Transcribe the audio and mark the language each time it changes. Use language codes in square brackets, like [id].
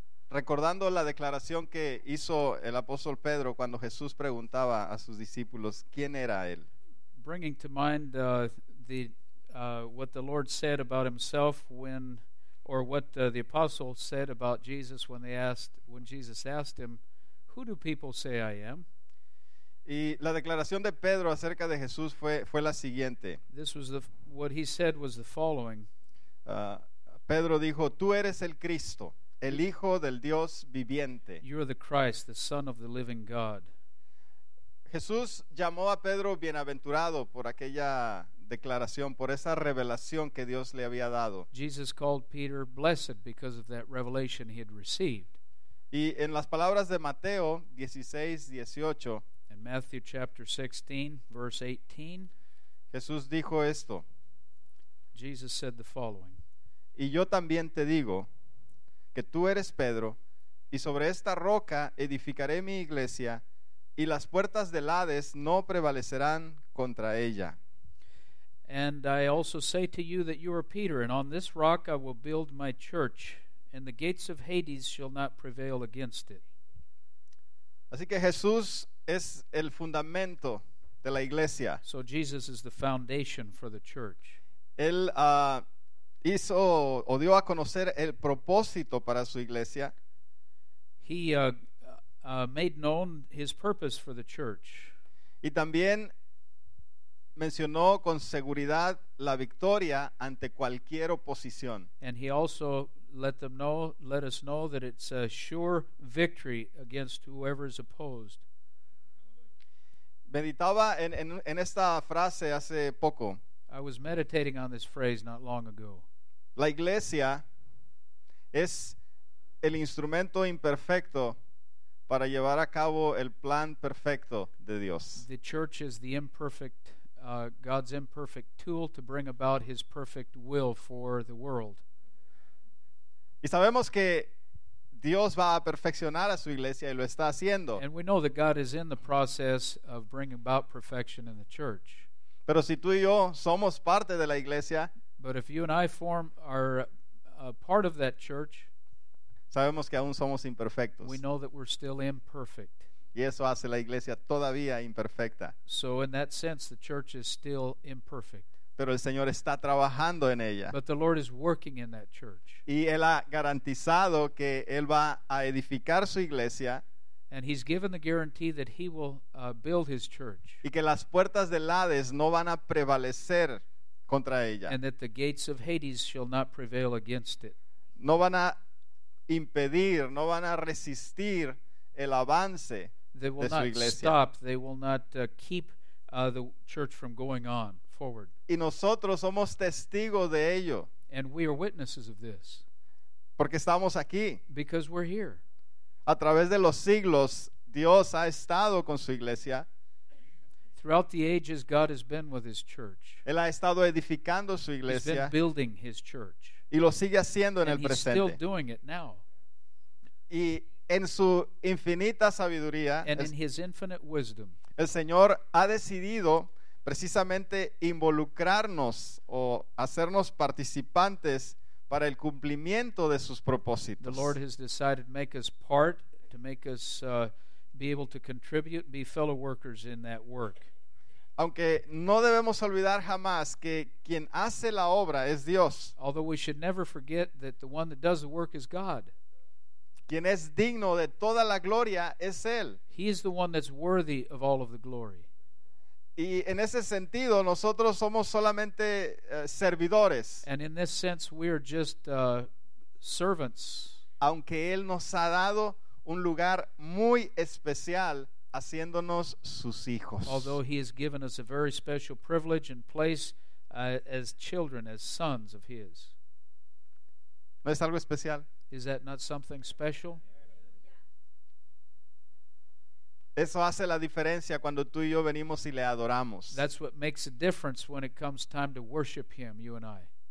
[es] Recordando la declaración que hizo el apóstol Pedro cuando Jesús preguntaba a sus discípulos quién era él. [en] Bringing to mind what the Lord said about himself when, or what the apostle said about Jesus when Jesus asked him, who do people say I am? [es] Y la declaración de Pedro acerca de Jesús fue la siguiente. [en] This was what he said was the following. [es] Pedro dijo, tú eres el Cristo, el Hijo del Dios viviente. [en] You're the Christ, the Son of the living God. [es] Jesús llamó a Pedro bienaventurado por aquella declaración, por esa revelación que Dios le había dado. [en] Jesus called Peter blessed because of that revelation he had received. [es] Y en las palabras de Mateo 16:18, [en] in Matthew chapter 16, verse 18, [es] Jesús dijo esto. [en] Jesus said the following. [es] Y yo también te digo que tú eres Pedro, y sobre esta roca edificaré mi iglesia, y las puertas del Hades no prevalecerán contra ella. [en] And I also say to you that you are Peter, and on this rock I will build my church, and the gates of Hades shall not prevail against it. [es] Así que Jesús es el fundamento de la iglesia. [en] So Jesus is the foundation for the church. [es] Él hizo o dio a conocer el propósito para su iglesia. [en] He made known his purpose for the church. [es] Y también mencionó con seguridad la victoria ante cualquier oposición. [en] And he also let us know that it's a sure victory against whoever is opposed. [es] Meditaba en esta frase hace poco. [en] I was meditating on this phrase not long ago. [es] La iglesia es el instrumento imperfecto para llevar a cabo el plan perfecto de Dios. [en] The church is the imperfect God's imperfect tool to bring about his perfect will for the world. [es] Y sabemos que Dios va a perfeccionar a su iglesia y lo está haciendo. [en] And we know that God is in the process of bringing about perfection in the church. [es] Pero si tú y yo somos parte de la iglesia, [en] but if you and I are a part of that church, [es] sabemos que aún somos imperfectos. [en] We know that we're still imperfect. [es] Y eso hace la iglesia todavía imperfecta. [en] So in that sense, the church is still imperfect. [es] Pero el Señor está trabajando en ella. [en] But the Lord is working in that church. [es] Y Él ha garantizado que Él va a edificar su iglesia. [en] And he's given the guarantee that he will build his church. [es] Y que las puertas del Hades no van a prevalecer contra ella. [en] And that the gates of Hades shall not prevail against it. [es] No van a impedir, no van a resistir el avance de su iglesia. [en] They will not stop, they will not keep the church from going on forward. [es] Y nosotros somos testigos de ello. [en] And we are witnesses of this. [es] Porque estamos aquí. [en] Because we're here. [es] A través de los siglos, Dios ha estado con su iglesia. [en] Throughout the ages, God has been with his church. [es] Él ha estado edificando su iglesia. [en] He's been building his church. [es] Y lo sigue haciendo en el presente. [en] And he's still doing it now. [es] Y en su infinita sabiduría, [en] and in his infinite wisdom, [es] el Señor ha decidido precisamente involucrarnos o hacernos participantes para el cumplimiento de sus propósitos. [en] The Lord has decided to make us part, to make us be able to contribute and be fellow workers in that work. [es] Aunque no debemos olvidar jamás que quien hace la obra es Dios. [en] Although we should never forget that the one that does the work is God. [es] Quien es digno de toda la gloria es Él. [en] He is the one that's worthy of all of the glory. [es] Y en ese sentido, nosotros somos solamente servidores. [en] And in this sense, we are just servants. [es] Aunque Él nos ha dado un lugar muy especial haciéndonos sus hijos. [en] Although He has given us a very special privilege and place as children, as sons of His. [es] ¿No es algo especial? [en] Is that not something special? [es] Eso hace la diferencia cuando tú y yo venimos y le adoramos. [en] That's what makes a difference when it comes time to worship Him, you and I.